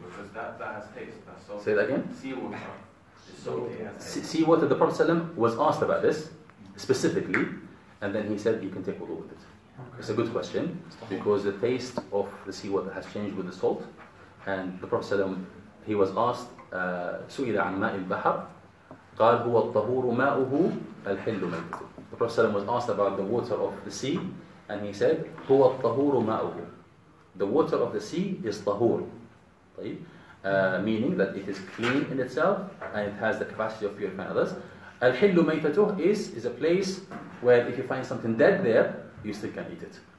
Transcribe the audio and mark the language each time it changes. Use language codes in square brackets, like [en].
[en] Because that has taste. That's say that again? Seawater. Seawater, the Prophet ﷺ was asked about this specifically, and then he said you can take wudu with it. Okay. It's a good question because the taste of the seawater has changed with the salt. And the Prophet ﷺ, he was asked, [ar] Su'ila an ma'il bahar, قال هو الطهور ماؤه الحل ميته. [en] The Prophet ﷺ was asked about the water of the sea, and he said [ar] هو الطهور ماؤه. [en] The water of the sea is طهور. [ar] طيب. [en] Meaning that it is clean in itself and it has the capacity of purifying others. [ar] الحل ميته [en] is a place where if you find something dead there, you still can eat it.